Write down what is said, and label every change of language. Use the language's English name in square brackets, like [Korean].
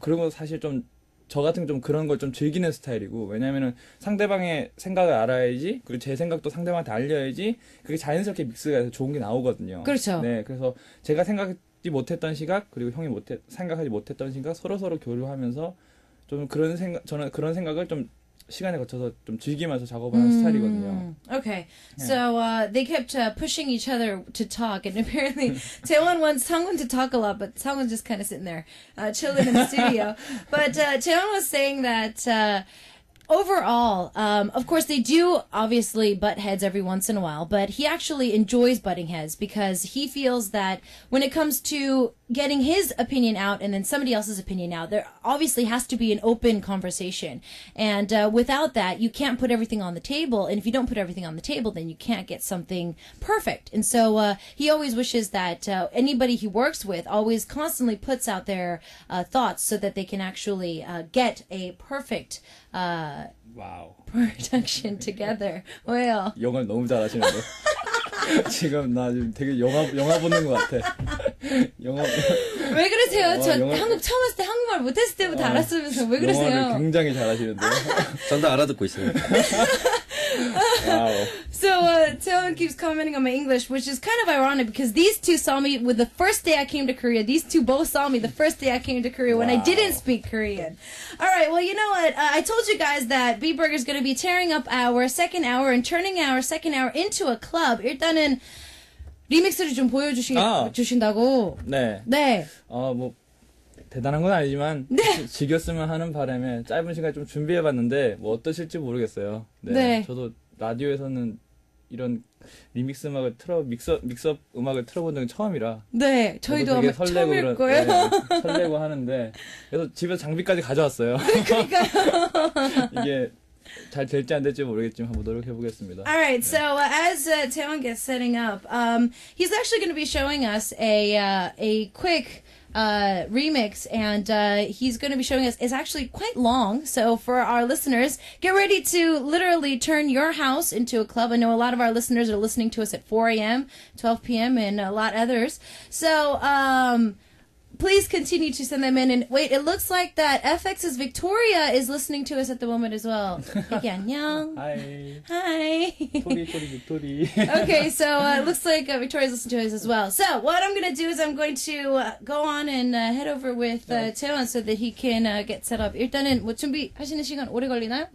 [Korean] 그리고 사실 좀 저 같은 좀 그런 걸 좀 즐기는 스타일이고, 왜냐면은 상대방의 생각을 알아야지, 그리고 제 생각도 상대방한테 알려야지, 그게 자연스럽게 믹스가 돼서 좋은 게 나오거든요. 그렇죠. 네, 그래서 제가 생각하지 못했던 시각, 그리고 형이 생각하지 못했던 시각, 서로 교류하면서 좀 그런 생각, 저는 그런 생각을 좀 시간에 거쳐서 좀 즐기면서 작업하는 스타일이거든요. [English] Okay, so they kept pushing each other to talk, and apparently Taewon wants Sangwon to talk a lot, but Sangwon's just kind of sitting there, chilling in the studio. But Taewon was saying that overall, of course, they do obviously butt heads every once in a while, but he actually enjoys butting heads because he feels that when it comes to getting his opinion out and then somebody else's opinion out, there obviously has to be an open conversation. And without that, you can't put everything on the table. And if you don't put everything on the table, then you can't get something perfect. And so he always wishes that anybody he works with always constantly puts out their thoughts so that they can actually get a perfect wow. production together. [Korean] 왜요? 영어를 너무 잘하시는데. 지금 나 지금 되게 영화 보는 것 같아. 영화. 왜 그러세요? 한국 처음 왔을 때 한국말 못했을 때부터 알았으면서 왜 그러세요? 영화를 굉장히 잘하시는데. 전 다 알아듣고 있어요. [English] Wow. So Taewon keeps commenting on my English, which is kind of ironic because these two saw me with the first day I came to Korea. These two both saw me the first day I came to Korea when I didn't speak Korean. All right, well, you know what? I told you guys that B-Burger is going to be tearing up our second hour and turning our second hour into a club. [Korean] 일단은 리믹스를 좀 보여주신다고. 네. 뭐 대단한 건 아니지만 네. 지겼으면 하는 바람에 짧은 시간에 좀 준비해봤는데 뭐 어떠실지 모르겠어요. 네. 저도 라디오에서는 이런 리믹스 음악을 틀어 믹스업 음악을 틀어본 적이 처음이라. 네, 저희도 아마 설레고 처음일 거예요. 네, 설레고 하는데 그래서 집에서 장비까지 가져왔어요. 그러니까요. 이게 잘 될지 안 될지 모르겠지만 한번 노력해보겠습니다. [English] All right, 네. so as Taewon gets setting up, he's actually going to be showing us a quick remix, and he's going to be showing us, it's actually quite long, so for our listeners, get ready to literally turn your house into a club. I know a lot of our listeners are listening to us at 4 a.m., 12 p.m., and a lot others, so please continue to send them in, and wait, it looks like that FX's Victoria is listening to us at the moment as well. [Korean] Hey, 안녕. [English] Hi. Tori, Victoria. Okay, so it looks like Victoria's listening to us as well. So what I'm going to do is I'm going to go on and head over with Taewon so that he can get set up. [Korean] 일단은 뭐 준비하시는 시간 오래 걸리나요?